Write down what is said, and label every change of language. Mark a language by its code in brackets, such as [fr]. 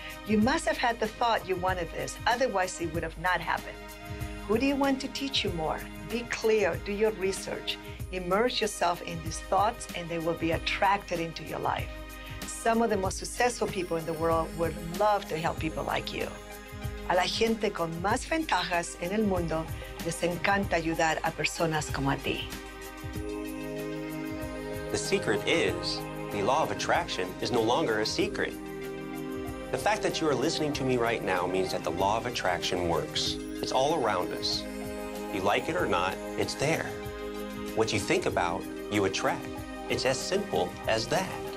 [en] You must have had the thought you wanted this, otherwise it would have not happened. Who do you want to teach you more? Be clear, do your research. Immerse yourself in these thoughts and they will be attracted into your life. Some of the most successful people in the world would love to help people like you. [es] A la gente con más ventajas en el mundo les encanta ayudar a personas como a ti. [en] The secret is the law of attraction is no longer a secret. The fact that you are listening to me right now means that the law of attraction works. It's all around us. You like it or not, it's there. What you think about, you attract. It's as simple as that.